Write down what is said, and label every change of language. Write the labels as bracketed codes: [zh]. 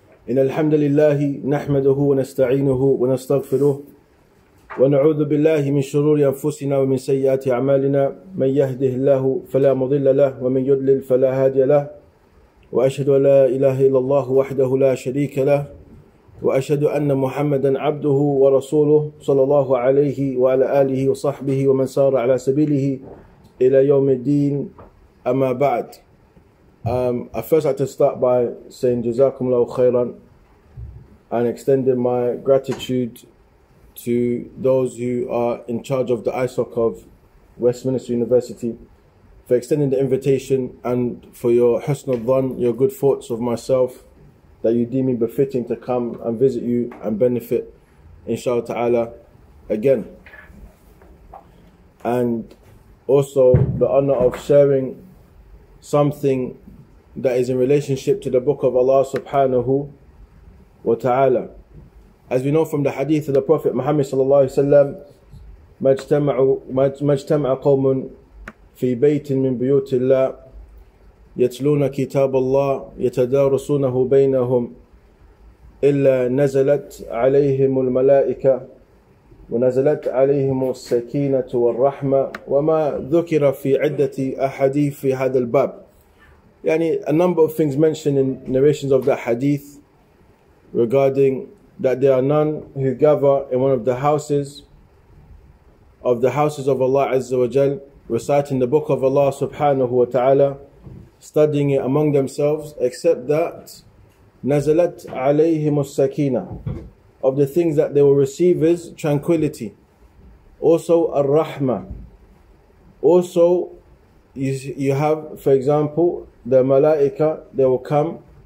[ar] إن الحمد لله نحمده ونستعينه ونستغفره ونعوذ بالله من شرور أنفسنا ومن سيئات أعمالنا من يهده الله فلا مضل له ومن يضلل فلا هادي له وأشهد أن لا إله إلا الله وحده لا شريك له وأشهد أن محمدا عبده ورسوله صلى الله عليه وعلى آله وصحبه ومن سار على سبيله إلى يوم الدين أما بعد. [en] At first, I have to start by saying Jazakumullahu Khairan and extending my gratitude to those who are in charge of the ISOC of Westminster University for extending the invitation and for your husn al-dhan, your good thoughts of myself, that you deem me befitting to come and visit you and benefit, inshallah ta'ala, again. And also the honor of sharing something that is in relationship to the book of Allah subhanahu wa ta'ala. As we know from the hadith of the Prophet Muhammad sallallahu alayhi wa sallam, [ar] مَجْتَمَعَ قَوْمٌ فِي بَيْتٍ مِنْ بُيُوتِ اللَّهِ يَتْلُونَ كِتَابَ اللَّهِ يَتَدَارُسُونَهُ بَيْنَهُمْ إِلَّا نَزَلَتْ عَلَيْهِمُ الْمَلَائِكَةِ وَنَزَلَتْ عَلَيْهِمُ السَّكِينَةُ وَالرَّحْمَةِ وَمَا ذُكِرَ فِي عِدَّةِ أَحَدِيثِ فِي هَذَا الْبَابِ. [en] Yani, a number of things mentioned in narrations of that hadith regarding that there are none who gather in one of the houses of the houses of Allah Azza wa Jal, reciting the book of Allah subhanahu wa ta'ala, studying it among themselves, except that [ar] nazalat alayhim as-sakina, [en] of the things that they will receive is tranquility, also ar-rahma, also you have, for example, the malaika, they will come.